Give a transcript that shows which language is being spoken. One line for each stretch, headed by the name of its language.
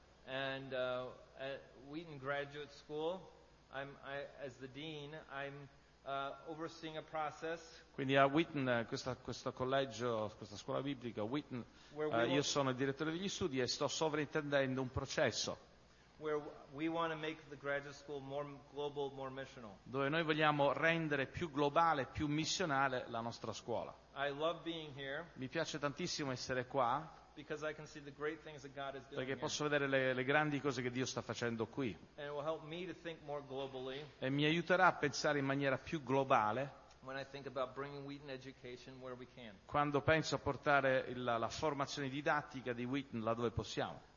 English: And at Wheaton Graduate School, as the dean, I'm overseeing a process.
Italian: Quindi a Wheaton, questo collegio, questa scuola biblica, Wheaton, io sono il direttore degli studi e sto sovrintendendo un processo.
English: Where we want to make the graduate school more global, more missional.
Italian: Dove noi vogliamo rendere più globale, più missionale la nostra scuola.
English: I love being here.
Italian: Mi piace tantissimo essere qua.
English: Because I can see the great things that God is doing.
Italian: Perché posso vedere le grandi cose che Dio sta facendo qui.
English: And it will help me to think more globally.
Italian: E mi aiuterà a pensare in maniera più globale.
English: When I think about bringing Wheaton education where we can.
Italian: Quando penso a portare la formazione didattica di Wheaton là dove possiamo.